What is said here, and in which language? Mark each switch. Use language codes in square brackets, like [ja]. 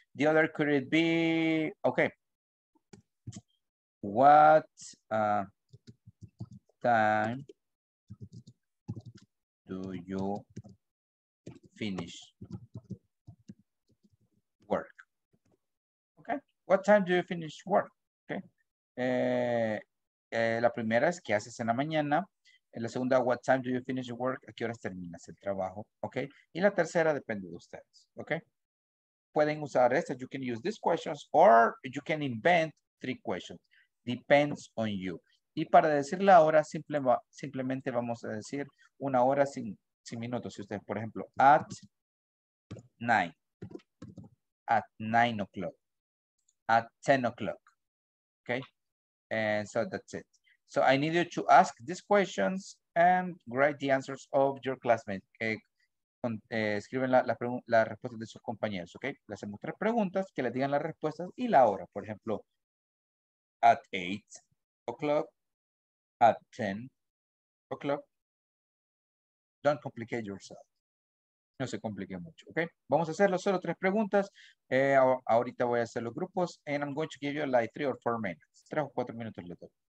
[en] The other could it be, okay, what time do you finish work? Okay. What time do you finish work? Okay. [es] La primera es, ¿qué haces en la mañana? La segunda, [en] what time do you finish work? [es] ¿A qué horas terminas el trabajo? Okay. Y la tercera depende de ustedes. Okay. Pueden usar esta. [en] You can use these questions or you can invent 3 questions. Depends on you. [es] Y para decir la hora, simplemente vamos a decir una hora sin minutos. Si ustedes, por ejemplo, [en] at nine o'clock, at 10 o'clock. Okay. And so that's it. So I need you to ask these questions and write the answers of your classmates. [es] Escriben la respuesta de sus compañeros. Okay. Le hacemos 3 preguntas, que le digan las respuestas y la hora. Por ejemplo, [en] at 8 o'clock, at 10 o'clock. Don't complicate yourself. [es] No se complique mucho, okay? Vamos a hacerlo, solo 3 preguntas. Ahorita voy a hacer los grupos, [en] and I'm going to give you like 3 or 4 minutes. [es] 3 o 4 minutos le doy.